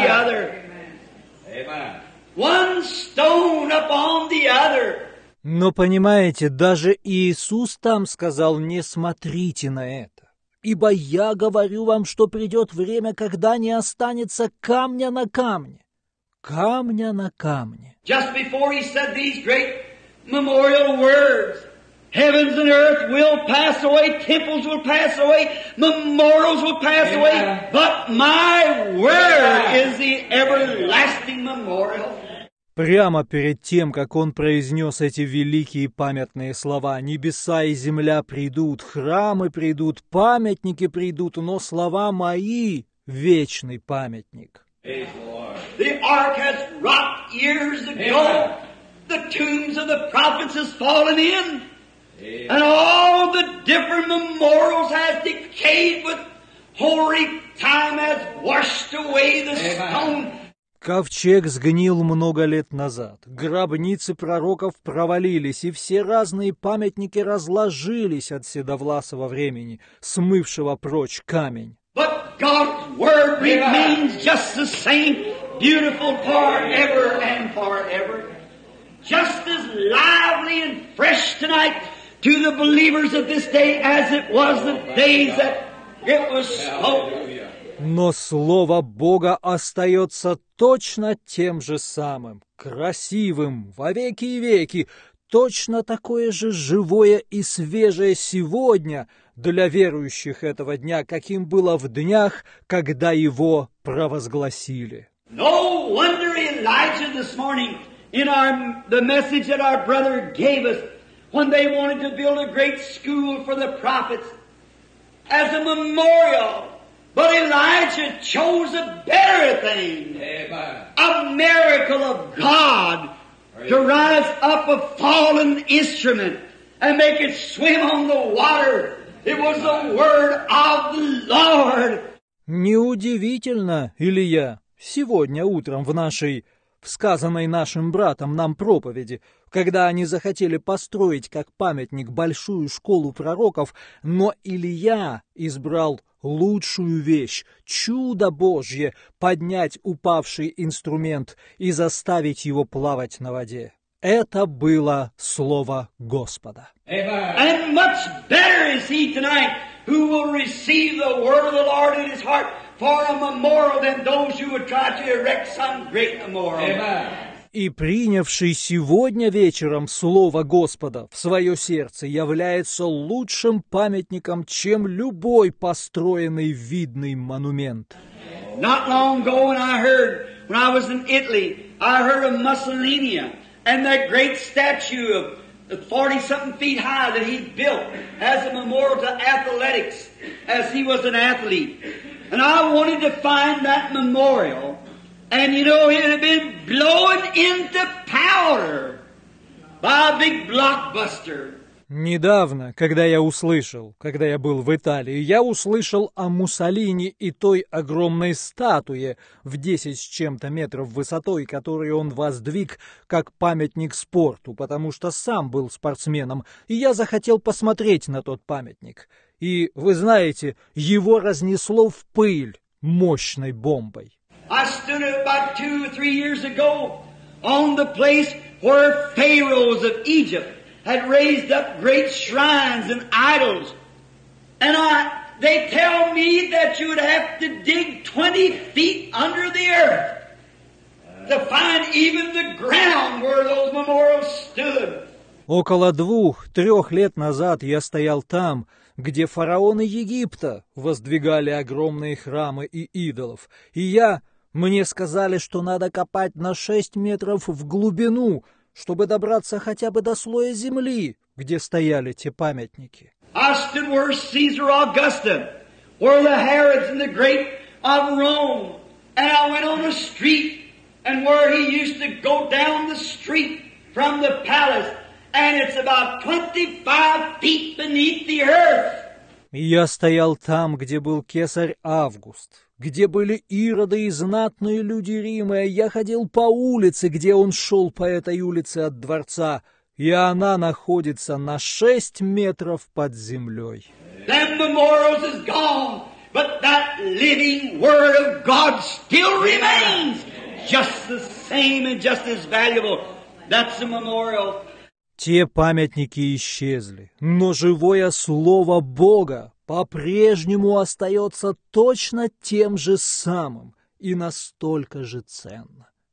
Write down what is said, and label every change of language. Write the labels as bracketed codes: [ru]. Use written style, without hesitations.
[en] The other. Amen. One stone upon the other. [ru] Но понимаете, даже Иисус там сказал, не смотрите на это. Ибо я говорю вам, что придет время, когда не останется камня на камне. Камня на камне. [en] Just before he said these great memorial words, heavens and earth will pass away, temples will pass away, memorials will pass Amen. Away, but my word Amen. Is the everlasting memorial. [ru] Прямо перед тем, как он произнес эти великие памятные слова, небеса и земля придут, храмы придут, памятники придут, но слова мои – вечный памятник. [en] The ark has rocked years ago. Amen. The tombs of the prophets has fallen in. Amen. And all the different memorials has decayed with hoary time has washed away the stone. [ru] Ковчег сгнил много лет назад, гробницы пророков провалились, и все разные памятники разложились от седовласого времени, смывшего прочь камень. [en] But God's word remains just the same, beautiful forever and forever. Just as lively and fresh tonight to the believers of this day as it was the days that it was spoken. [ru] Но Слово Бога остается точно тем же самым, красивым, во веки и веки, точно такое же живое и свежее сегодня для верующих этого дня, каким было в днях, когда его провозгласили. [en] No wonder Elijah this morning in our, the message that our brother gave us when they wanted to build a great school for the prophets as a memorial. But Elijah chose a better thing, a miracle of God, to rise up a fallen instrument and make it swim on the water. It was the word of the Lord. [ru] Неудивительно, Илия, сегодня утром в нашей, в сказанной нашим братом нам проповеди, когда они захотели построить как памятник большую школу пророков, но Илия избрал лучшую вещь, чудо Божье, поднять упавший инструмент и заставить его плавать на воде. Это было слово Господа. [en] And much better is he tonight who will receive the word of the Lord in his heart for a memorial than those who would try to erect some great memorial. Amen. [ru] И принявший сегодня вечером Слово Господа в свое сердце является лучшим памятником, чем любой построенный видный монумент. [en] Not long ago when I heard, when I was in Italy, I heard of Mussolini and that great statue of 40-something feet high that he built as a memorial to athletics, as he was an athlete. And I wanted to find that memorial. And you know, it had been blown into powder by a big blockbuster. [ru] Недавно, когда я услышал, когда я был в Италии, я услышал о Муссолини и той огромной статуе в 10 с чем-то метров высотой, которую он воздвиг как памятник спорту, потому что сам был спортсменом, и я захотел посмотреть на тот памятник. И, вы знаете, его разнесло в пыль мощной бомбой. [en] I stood about 2 or 3 years ago on the place where pharaohs of Egypt had raised up great shrines and idols. And they tell me that you would have to dig 20 feet under the earth to find even the ground where those memorials stood. [ru] Около 2-3 лет назад я стоял там, где фараоны Египта воздвигали огромные храмы и идолов. И я... Мне сказали, что надо копать на 6 метров в глубину, чтобы добраться хотя бы до слоя земли, где стояли те памятники. [en] I stood where Caesar Augusta, where the Herods and the great of Rome, and I went on a street, and where he used to go down the street from the palace, and it's about 25 feet beneath the earth. [ru] Я стоял там, где был кесарь Август, где были ироды и знатные люди Рима. Я ходил по улице, где он шел по этой улице от дворца, и она находится на 6 метров под землей. [en] That memorial is gone, but that living word of God still remains, just the same and just as valuable. That's a memorial. [ru] Те памятники исчезли, но живое слово Бога по-прежнему остается точно тем же самым и настолько же ценно.